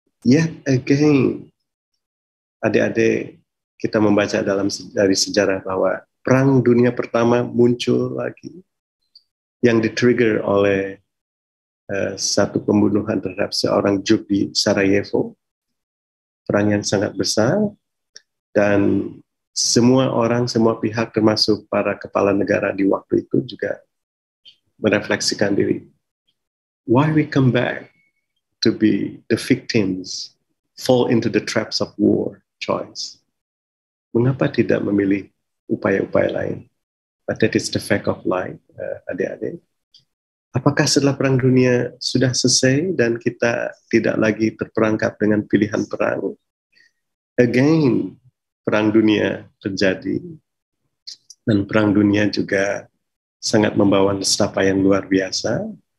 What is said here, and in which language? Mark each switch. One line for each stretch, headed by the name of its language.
English: Yet again,
Indonesian: adik-adik, kita membaca dari sejarah bahwa perang dunia pertama muncul lagi yang di-trigger oleh satu pembunuhan terhadap seorang Jude di Sarajevo, perang yang sangat besar, dan semua orang, semua pihak termasuk para kepala negara di waktu itu juga merefleksikan diri.
English: Why we come back to be the victims, fall into the traps of war choice?
Indonesian: Mengapa tidak memilih upaya-upaya lain?
English: But that is the fact of life, adik-adik.
Indonesian: Apakah setelah perang dunia sudah selesai dan kita tidak lagi terperangkap dengan pilihan perang? Again, perang dunia terjadi. Dan perang dunia juga sangat membawa nestapa yang luar biasa.